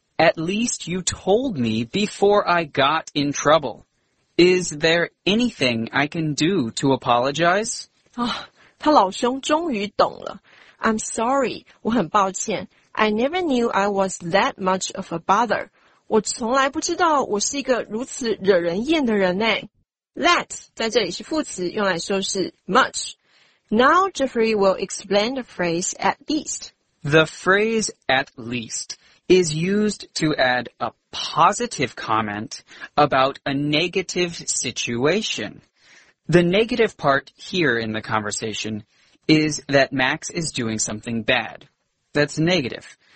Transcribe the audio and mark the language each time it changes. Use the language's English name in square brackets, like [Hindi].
[English] At least you told me before I got in trouble. Is there anything I can do to apologize? [Chinese] 他老兄终于懂了。 [English] I'm sorry, [Chinese] 我很抱歉。 [English] I never knew I was that much of a bother. [Chinese] 我从来不知道我是一个如此惹人厌的人诶。 That 在这里是副词用来说是 much. [English] Now Jeffrey will explain the phrase at least. The phrase at least is used to add a positive comment about a negative situation. The negative part here in the conversation is that Max is doing something bad. That's negative.